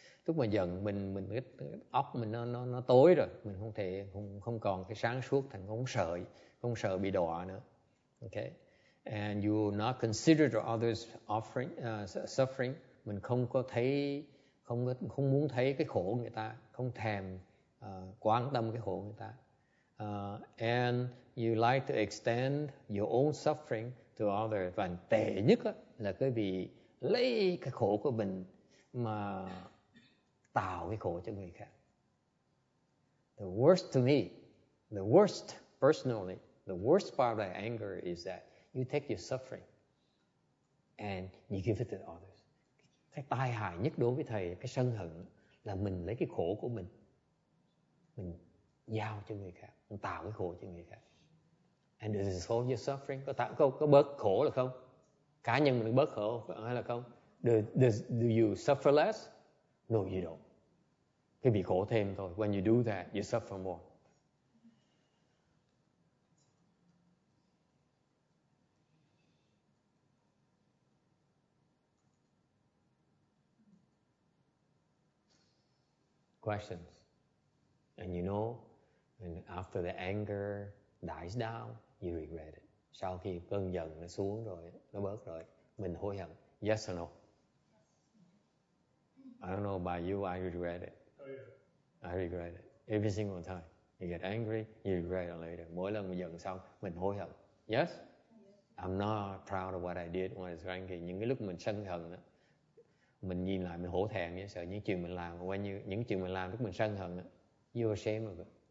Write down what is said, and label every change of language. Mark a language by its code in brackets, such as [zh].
[vi] Lúc mà giận mình cái óc mình nó tối rồi, mình không còn cái sáng suốt, thành không sợ bị đọa nữa. [en] Okay, and you will not consider others' suffering. [vi] Mình không có thấy không muốn thấy cái khổ của người ta, không thèm quan tâm cái khổ của người ta. [en] And you like to extend your own suffering to others. [vi] Và tệ nhất là cái vì lấy cái khổ của mình mà tạo cái khổ cho người khác. [en] The worst to me, the worst personally, the worst part of that anger is that you take your suffering and you give it to others. [vi] Cái tai hại nhất đối với thầy, cái sân hận là mình lấy cái khổ của mình giao cho người khác, mình tạo cái khổ cho người khác. [en] And does it solve your suffering? [vi] Có bớt khổ là không? Cá nhân mình bớt khổ hay là không? [en] Do you suffer less? No, you don't. [vi] Cái bị khổ thêm thôi. [en] When you do that, you suffer more. Questions. And you know, and after the anger dies down, you regret it. [vi] Sau khi cơn giận nó xuống rồi, nó bớt rồi, mình hối hận. [en] Yes or no? I don't know about you, I regret it. I regret it. Every single time you get angry, you regret it later. [vi] Mỗi lần mình giận xong, mình hối hận. [en] Yes? I'm not proud of what I did when I was angry. [vi] Những cái lúc mình sân hận đó, mình nhìn lại mình hổ thẹn, sợ những chuyện mình làm, quay như những chuyện mình làm lúc mình sân hận, [en] you are ashamed of it.